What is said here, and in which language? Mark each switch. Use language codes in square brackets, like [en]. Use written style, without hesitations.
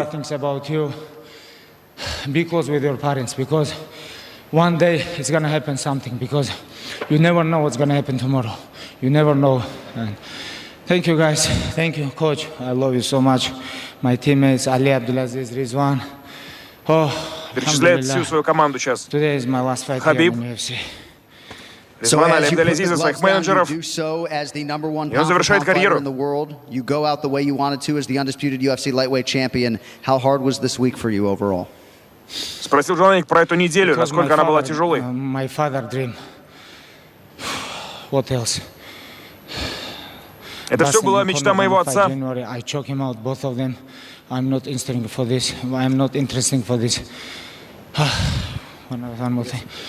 [en] I know things about you. Be close with your parents, because one day it's gonna happen something, because you never know what's gonna happen tomorrow. You never know. And thank you, guys. Thank you, coach. I love you so much. My teammates Ali Abdulaziz Rizwan. Oh, [ru] перечисляет всю свою команду сейчас. [en] Today is my last fight Хабиб. Here in UFC. [ru] Резван Али Абдулазиз из своих менеджеров. И он завершает карьеру. [en] In the world. You go out the way you wanted to as the undisputed UFC lightweight champion. How hard was this week for you overall? [ru] Спросил Жанник про эту неделю, насколько она была тяжелой. [en] My father dream. What else? [ru] Это все была мечта моего отца. [en] I choke him out, both of them. I'm not interested for this. I'm not interested for this. One more thing.